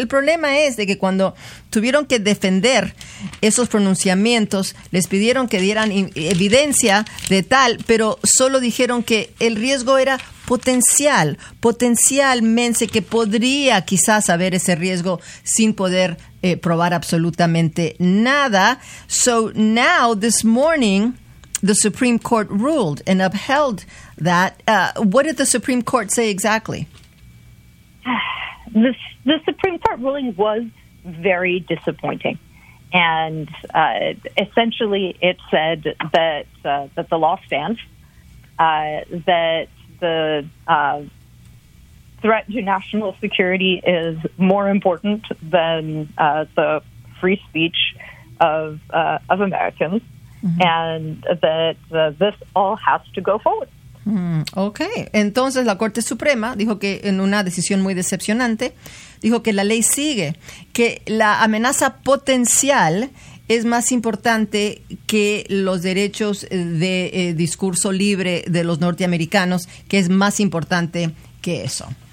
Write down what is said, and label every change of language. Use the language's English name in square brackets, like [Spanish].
[Spanish] El problema es de que cuando tuvieron que defender esos pronunciamientos, les pidieron que dieran evidencia de tal, pero solo dijeron que el riesgo era potencialmente que podría quizás haber ese riesgo, sin poder probar absolutamente nada. [English] So now, this morning, the Supreme Court ruled and upheld that. What did the Supreme Court say exactly? The Supreme Court ruling was very disappointing. And essentially, it said that the law stands, that the threat to national security is more important than the free speech of Americans, and that this all has to go forward. Okay. [Spanish] Entonces, la Corte Suprema dijo que, en una decisión muy decepcionante, dijo que la ley sigue, que la amenaza potencial es más importante que los derechos de discurso libre de los norteamericanos, que es más importante que eso.